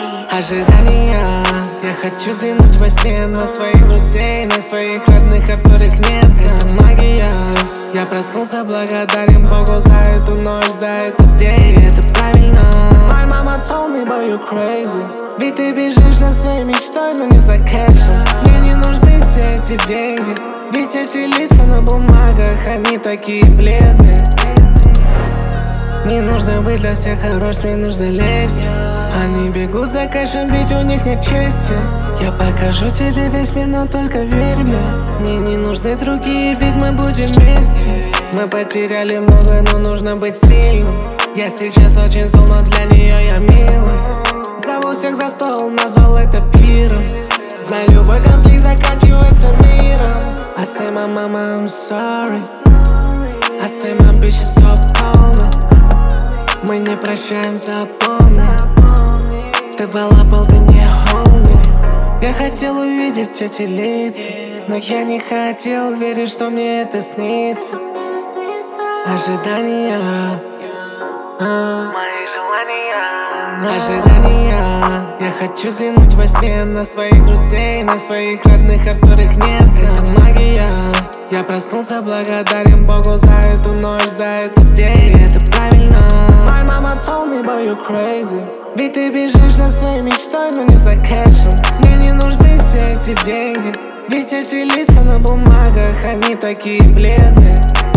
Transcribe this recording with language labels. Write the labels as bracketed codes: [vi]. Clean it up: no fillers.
[ru] Ожидания, я хочу взглянуть во сне на своих друзей, на своих родных, которых нет. Это магия, я проснулся, благодарен Богу за эту ночь, за этот день. И это правильно. [en] My mama told me, boy, you crazy. [ru] Ведь ты бежишь за своей мечтой, но не за кэшем. Мне не нужны все эти деньги. Ведь эти лица на бумагах, они такие бледные. Не нужно быть для всех хорош, мне нужно лезть. Они бегут за кэшем, ведь у них нет чести. Я покажу тебе весь мир, но только верь мне. Мне не нужны другие, ведь мы будем вместе. Мы потеряли много, но нужно быть сильным. Я сейчас очень зол, но для нее я милый. Зову всех за стол, назвал это пиром. Знай, любой конфликт заканчивается миром. [en] I say my mama, I'm sorry. I say my bitch, stop calling. [ru] Мы не прощаем, запомни. Ты была болта, не homie. Я хотел увидеть эти лица, но я не хотел верить, что мне это снится. Ожидания, мои желания. Ожидания. Я хочу взглянуть во сне на своих друзей, на своих родных, которых нет. Это магия. Я проснулся, благодарен Богу за эту ночь, за этот день. И это правильно. [en] My mama told me, boy, you crazy. [ru] Ведь ты бежишь за своей мечтой, но не за кэшем. Мне не нужны все эти деньги. Ведь эти лица на бумагах, они такие бледные.